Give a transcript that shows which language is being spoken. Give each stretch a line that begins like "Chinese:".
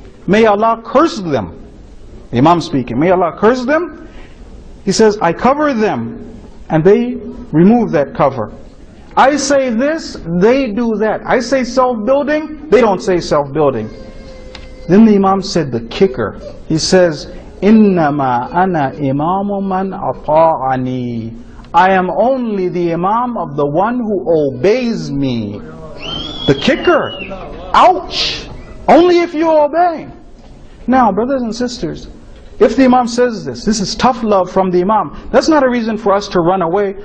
English: May Allah curse them. The Imam speaking. May Allah curse them. He says, I cover them. And they remove that cover. I say this, they do that. I say self-building, they don't say self-building. Then the Imam said the kicker. He says,
Arabic: إِنَّمَا أَنَا إِمَامُ مَنْ أَطَاعَنِي.
English: I am only the Imam of the one who obeys me. The kicker. Ouch. Only if you obey. Now, brothers and sisters, if the Imam says this, this is tough love from the Imam, that's not a reason for us to run away.